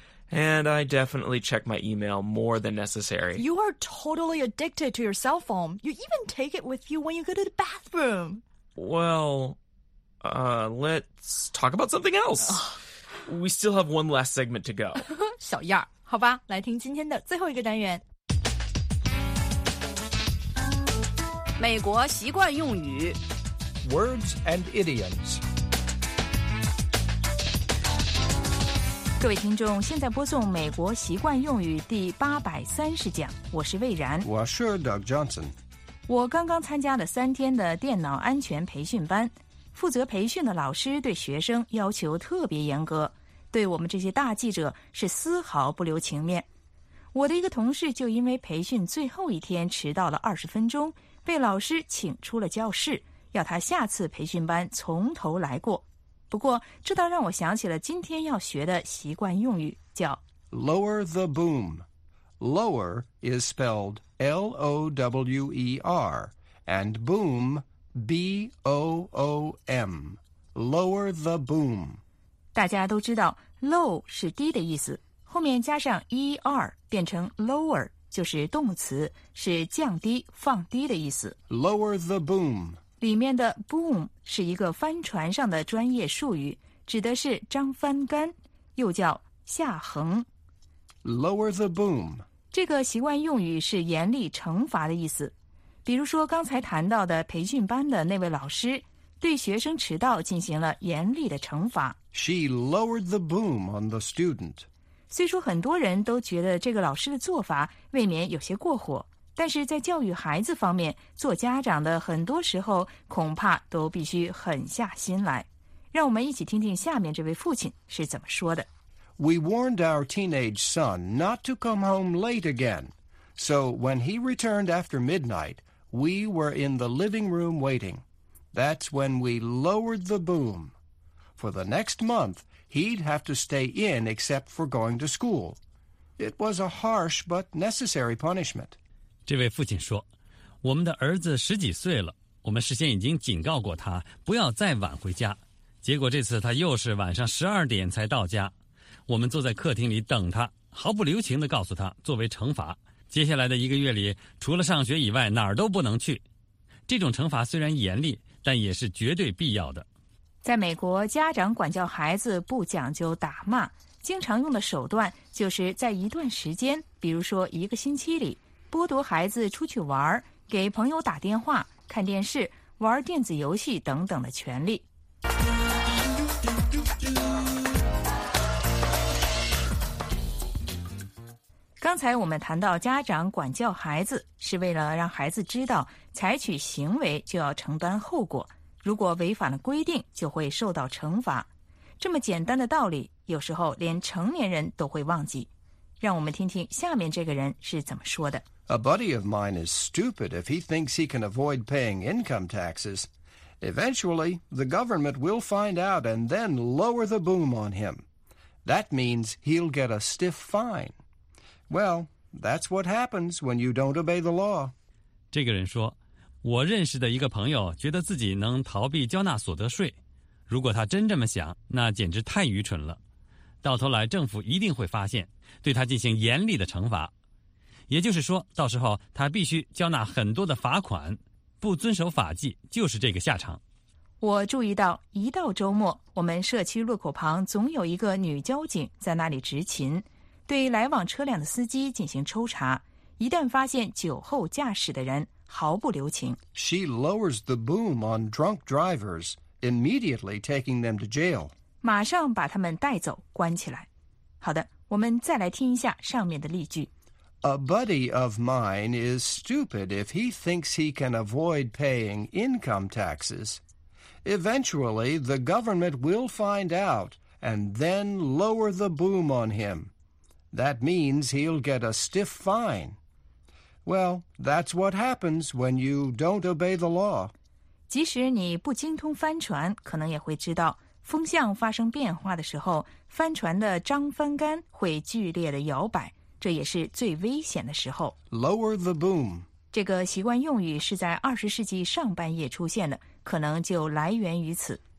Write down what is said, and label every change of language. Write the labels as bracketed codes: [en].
[en] And I definitely check my email more than necessary. You are totally addicted to your cell phone. You even take it with you when you go to the bathroom. Well, let's talk about something else. We still have one last segment to go. [zh] 小燕儿，好吧，来听今天的最后一个单元。美国习惯用语 [en] Words and idioms. [zh] 各位听众，现在播送美国习惯用语第830讲，我是魏然。我是 Doug Johnson。我刚刚参加了3天的电脑安全培训班，负责培训的老师对学生要求特别严格，对我们这些大记者是丝毫不留情面。我的一个同事就因为培训最后一天迟到了20分钟，被老师请出了教室，要他下次培训班从头来过。不过这倒让我想起了今天要学的习惯用语，叫 [en] Lower the boom. Lower is spelled L-O-W-E-R and boom B-O-O-M. Lower the boom. [zh] 大家都知道 low 是低的意思，后面加上 E-R 变成 lower 就是动词，是降低放低的意思。 [en] Lower the boom. [zh] 里面的 boom 是一个帆船上的专业术语，指的是张帆杆，又叫下横。 [en] Lower the boom. [zh] 这个习惯用语是严厉惩罚的意思。比如说刚才谈到的培训班的那位老师，对学生迟到进行了严厉的惩罚。 [en] She lowered the boom on the student. [zh] 虽说很多人都觉得这个老师的做法未免有些过火，但是在教育孩子方面，做家长的很多时候恐怕都必须狠下心来。让我们一起听听下面这位父亲是怎么说的。 [en] We warned our teenage son not to come home late again. So when he returned after midnight, we were in the living room waiting. That's when we lowered the boom. For the next month, he'd have to stay in except for going to school. It was a harsh but necessary punishment. [zh] 这位父亲说，我们的儿子十几岁了，我们事先已经警告过他不要再晚回家，结果这次他又是晚上12点才到家。我们坐在客厅里等他，毫不留情地告诉他，作为惩罚，接下来的一个月里除了上学以外哪儿都不能去。这种惩罚虽然严厉，但也是绝对必要的。在美国，家长管教孩子不讲究打骂，经常用的手段就是在一段时间，比如说一个星期里，剥夺孩子出去玩、给朋友打电话、看电视、玩电子游戏等等的权利。刚才我们谈到家长管教孩子是为了让孩子知道采取行为就要承担后果，如果违反了规定就会受到惩罚。这么简单的道理有时候连成年人都会忘记。让我们听听下面这个人是怎么说的。 [en] A buddy of mine is stupid if he thinks he can avoid paying income taxes. Eventually, the government will find out and then lower the boom on him. That means he'll get a stiff fine. Well, that's what happens when you don't obey the law. [zh] 这个人说，我认识的一个朋友觉得自己能逃避交纳所得税。如果他真这么想，那简直太愚蠢了。到头来，政府一定会发现，对他进行严厉的惩罚。也就是说，到时候他必须交纳很多的罚款，不遵守法纪就是这个下场。我注意到，一到周末，我们社区路口旁总有一个女交警在那里执勤，对来往车辆的司机进行抽查，一旦发现酒后驾驶的人，毫不留情。 [en] She lowers the boom on drunk drivers, immediately taking them to jail. [zh] 马上把他们带走，关起来。好的，我们再来听一下上面的例句。 [en] A buddy of mine is stupid if he thinks he can avoid paying income taxes. Eventually, the government will find out and then lower the boom on him. That means he'll get a stiff fine. Well, that's what happens when you don't obey the law. [zh] 即使你不精通帆船，可能也会知道，风向发生变化的时候，帆船的张帆杆会剧烈的摇摆。这也是最危险的时候。 [en] Lower the boom. [zh] 这个习惯用语是在20世纪上半叶出现的，可能就来源于此。